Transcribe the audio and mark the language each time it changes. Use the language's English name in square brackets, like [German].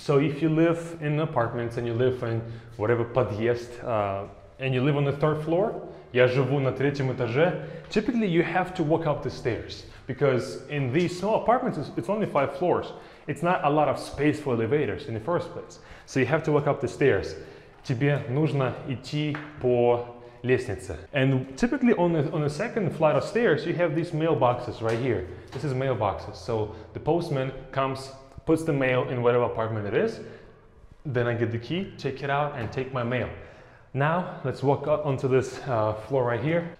[English] So if you live in apartments and you live in whatever подъезд, and you live on the third floor, [Russian] я живу на третьем этаже, [English] typically you have to walk up the stairs because in these small apartments, it's only five floors. It's not a lot of space for elevators in the first place. So you have to walk up the stairs. [Russian] Тебе нужно идти по лестнице. [English] And typically on the second flight of stairs, you have these mailboxes right here. This is mailboxes. So the postman comes, puts the mail in whatever apartment it is. Then I get the key, take it out and take my mail. Now let's walk up onto this floor right here.